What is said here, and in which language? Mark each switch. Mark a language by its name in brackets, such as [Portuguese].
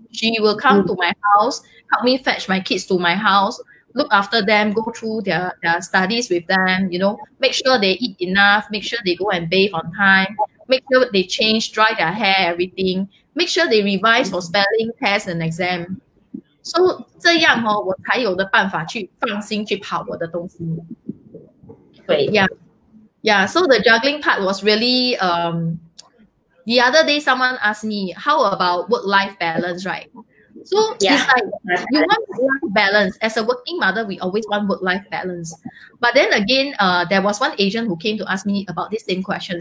[English] She will come to my house, help me fetch my kids to my house, look after them, go through their studies with them, you know, make sure they eat enough, make sure they go and bathe on time, make sure they change, dry their hair, everything, make sure they revise for spelling, tests, and exam. [Chinese] So 这样哦，我才有的办法去放心去跑我的东西。对 [English] ，Yeah. So the juggling part was really the other day someone asked me how about work life balance, right? So it's like you want work balance. As a working mother, we always want work life balance. But then again, there was one agent who came to ask me about this same question.